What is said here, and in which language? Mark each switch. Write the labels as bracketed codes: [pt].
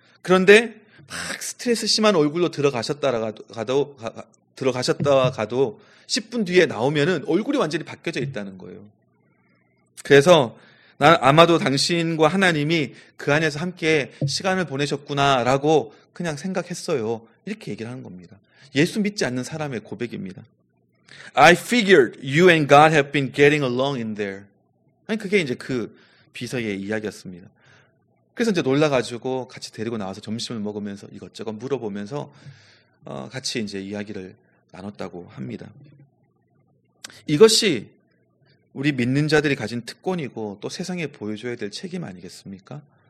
[ko] 그런데 막 스트레스 심한 얼굴로 들어가셨다가도 10분 뒤에 나오면은 얼굴이 완전히 바뀌어져 있다는 거예요. 그래서 난 아마도 당신과 하나님이 그 안에서 함께 시간을 보내셨구나라고 그냥 생각했어요. 이렇게 얘기를 하는 겁니다. 예수 믿지 않는 사람의 고백입니다. [en] I figured you and God have been getting along in there. [ko] 아니, 그게 이제 그 비서의 이야기였습니다. 그래서 이제 놀라가지고 같이 데리고 나와서 점심을 먹으면서 이것저것 물어보면서 같이 이제 이야기를 나눴다고 합니다. 이것이 우리 믿는 자들이 가진 특권이고 또 세상에 보여줘야 될 책임 아니겠습니까?